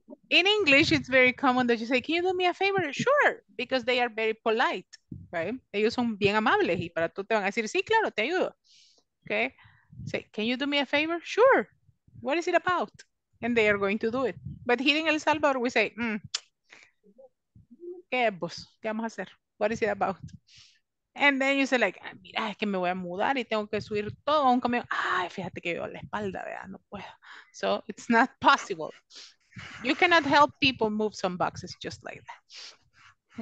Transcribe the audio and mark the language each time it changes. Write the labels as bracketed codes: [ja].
[en] In English, it's very common that you say, can you do me a favor? Sure, because they are very polite, right? [es] Ellos son bien amables y para todo te van a decir, sí, claro, te ayudo. [en] Okay, say, can you do me a favor? Sure, what is it about? And they are going to do it. But here in El Salvador, we say, [es] ¿qué vamos a hacer? [en] What is it about? And then you say like, [es] mira, es que me voy a mudar y tengo que subir todo a un camión. Ay, fíjate que veo la espalda, vea, no puedo. [en] So it's not possible. You cannot help people move some boxes just like that.